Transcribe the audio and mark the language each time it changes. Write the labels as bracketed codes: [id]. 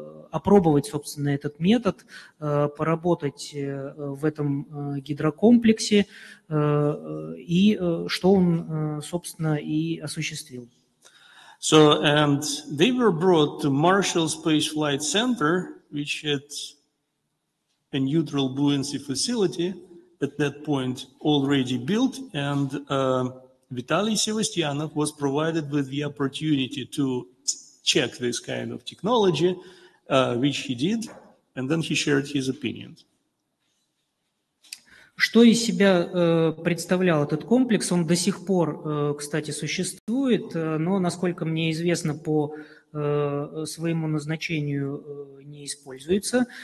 [ru] опробовать, собственно, этот метод, поработать в этом гидрокомплексе, и что он, собственно, и осуществил. [en] So, and they were brought to Marshall Space Flight Center, which had a neutral buoyancy facility at that point already built, and Vitaly Sevastyanov was provided with the opportunity to check this kind of technology, which he did, and then he shared his opinions. [ru] Что из себя представлял этот комплекс? Он до сих пор, кстати, существует, но, насколько мне известно, по своему назначению не используется.